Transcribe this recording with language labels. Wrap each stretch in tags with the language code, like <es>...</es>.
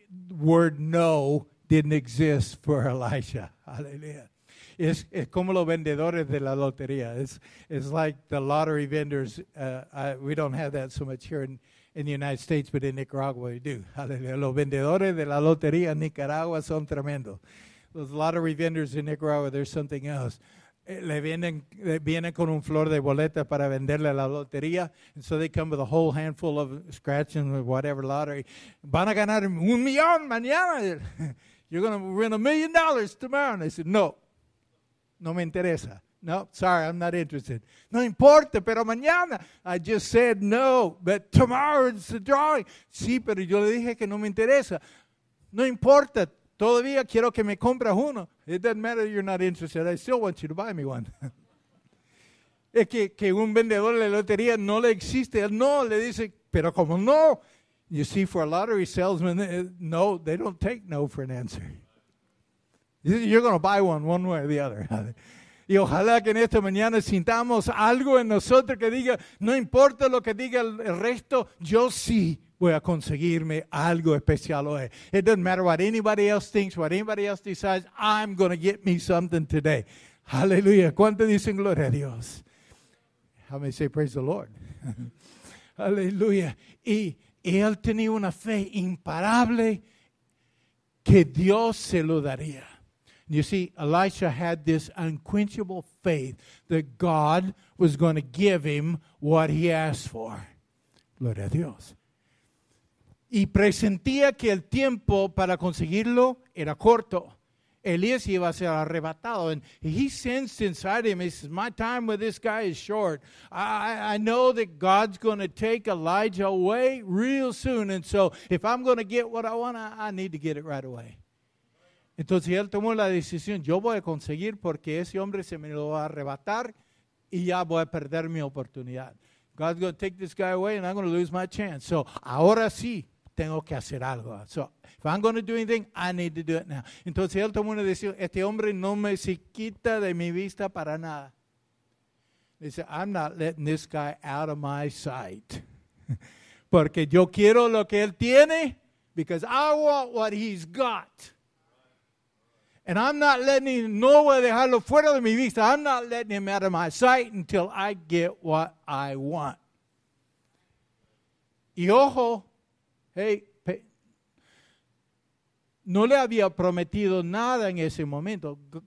<en>Word no didn't exist for Elisha. Hallelujah.</en> <es>Es como los vendedores de la lotería.</es> <en>It's like the lottery vendors. We don't have that so much here in the United States, but in Nicaragua we do. Hallelujah.</en> <es>Los vendedores de la lotería en Nicaragua son tremendo.</es> <en>Those lottery vendors in Nicaragua, there's something else.</en> <es>Le vienen con un flor de boleta para venderle la lotería.</es> <en>And so they come with a whole handful of scratching with whatever lottery.</en> <es>Van a ganar un millón mañana.</es> <en>You're going to win $1 million tomorrow. And they said, no.</en> <es>No me interesa.</es> <en>No, sorry, I'm not interested.</en> <es>No importa, pero mañana.</es> <en>I just said no, but tomorrow is the drawing.</en> <es>Sí, pero yo le dije que no me interesa. No importa. Todavía quiero que me compre uno.</es> <en>It doesn't matter if you're not interested. I still want you to buy me one.</en> <es>Es que un vendedor de lotería no le existe. Él no, le dice, pero como no.</es> <en>You see, for a lottery salesman, no, they don't take no for an answer. You're going to buy one way or the other.</en> <es>Y ojalá que en esta mañana sintamos algo en nosotros que diga, no importa lo que diga el resto, yo sí. Voy a conseguirme algo especial hoy.</es> <en>It doesn't matter what anybody else thinks, what anybody else decides. I'm going to get me something today. Hallelujah.</en> <es>¿Cuánto dicen gloria a Dios?</es> <en>How many say praise the Lord? Hallelujah.</en> <es>Y él tenía una fe imparable que Dios se lo daría.</es> <en>You see, Elisha had this unquenchable faith that God was going to give him what he asked for.</en> <es>Gloria a Dios. Y presentía que el tiempo para conseguirlo era corto. Elías iba a ser arrebatado.</es> <en>And he sensed inside him, he says, my time with this guy is short. I know that God's going to take Elijah away real soon. And so if I'm going to get what I want, I need to get it right away.</en> <es>Entonces él tomó la decisión, yo voy a conseguir porque ese hombre se me lo va a arrebatar y ya voy a perder mi oportunidad.</es> <en>God's going to take this guy away, and I'm going to lose my chance.</en> <es>So, ahora sí, tengo que hacer algo.</es> <en>So, if I'm going to do anything, I need to do it now.</en> <es>Entonces, él tomó una decisión. Este hombre no me se quita de mi vista para nada.</es> <en>He said, I'm not letting this guy out of my sight.</en> <es>Porque yo quiero lo que él tiene,</es> <en>because I want what he's got. And I'm not letting him,</en> <es>no voy a dejarlo fuera de mi vista.</es> <en>I'm not letting him out of my sight until I get what I want.</en> <es>Y ojo, hey, no le había prometido nada en ese momento.</es>